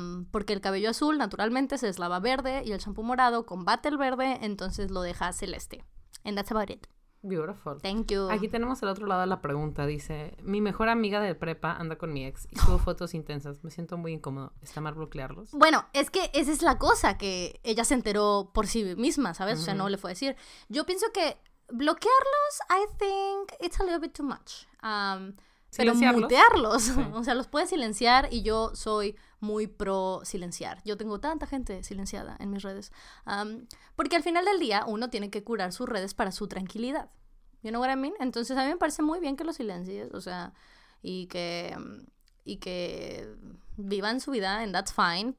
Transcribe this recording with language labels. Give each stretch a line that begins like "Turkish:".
Spanish: Porque el cabello azul naturalmente se deslava verde y el shampoo morado combate el verde, entonces lo deja celeste.
English: And that's about it. Beautiful. Thank you.
Spanish: Aquí tenemos al otro lado la pregunta. Dice, mi mejor amiga de prepa anda con mi ex y subo fotos intensas. Me siento muy incómodo. ¿Está mal bloquearlos? Bueno, es que esa es la cosa, que ella se enteró por sí misma, ¿sabes? Uh-huh. O sea, no le fue a decir. Yo pienso que bloquearlos,
English: I think it's a little bit too much.
Spanish: Pero mutearlos. Sí. O sea, los puedes silenciar y yo soy muy pro silenciar. Yo tengo tanta gente silenciada en mis redes. Porque al final del día uno tiene que curar sus redes para su tranquilidad.
English: You know what I mean?
Spanish: Entonces a mí me parece muy bien que los silencies, o sea, y que vivan su vida
English: and that's fine.